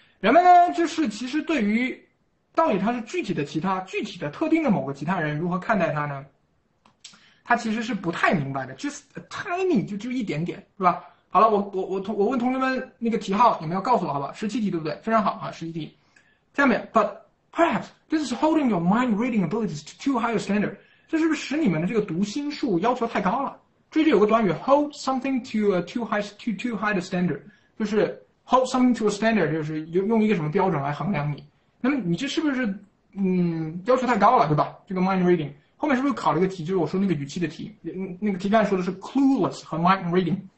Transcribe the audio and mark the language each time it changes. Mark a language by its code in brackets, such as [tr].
[zh] 人们呢，就是其实对于到底他是具体的其他、具体的特定的某个其他人如何看待他呢？他其实是不太明白的 ， [en] just a tiny， [zh] 就一点点，是吧？好了，我问同学们那个题号有没有告诉我？好吧，17题对不对？非常好啊，17题。下面 [en] ，But perhaps this is holding your mind reading abilities to too high a standard。 [zh] 这是不是使你们的这个读心术要求太高了？这里有个短语 ， [en] hold something to a too high a standard， [zh] 就是 [en] hold something to a standard， [zh] 就是用一个什么标准来衡量你。那么你这是不是要求太高了，对吧？这个 mind reading 后面是不是考了一个题？就是我说那个语气的题，那个题干说的是 clueless 和 mind reading。